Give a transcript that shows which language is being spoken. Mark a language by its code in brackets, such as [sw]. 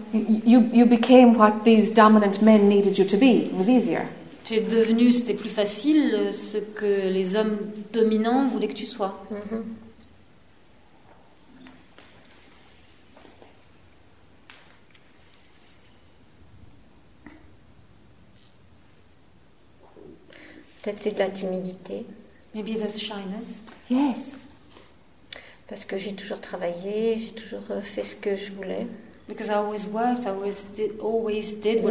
[en] You became what these dominant men needed you to be. It was easier. [fr] Tu es devenu, c'était plus facile, ce que les hommes dominants voulaient que tu sois. Mm-hmm. Peut-être c'est de la timidité. [en] Maybe that's shyness. Yes. [fr] Parce que j'ai toujours travaillé, j'ai toujours fait ce que je voulais. [en] Because I always worked, I always did what